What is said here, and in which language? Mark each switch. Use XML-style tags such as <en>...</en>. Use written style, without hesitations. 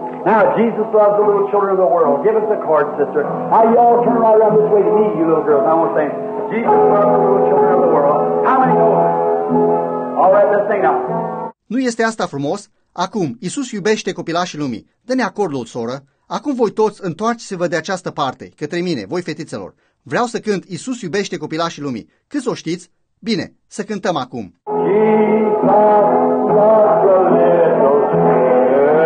<en>Now, Jesus loves the little children of the world. Give us a card, sister. How you all turn right around this way to meet you little girls. I want to sing. Jesus loves the little children of the world. How many know? All right, let's sing now.</en> <ro>Nu este asta frumos? Acum, Iisus iubește copilașii lumii. Dă-ne acordul, soră. Acum voi toți întoarceți-vă de această parte, către mine, voi fetițelor. Vreau să cânt Iisus iubește copilașii lumii. Cât o știți? Bine, să cântăm acum.</ro> <en>Jesus loves the little children.</en>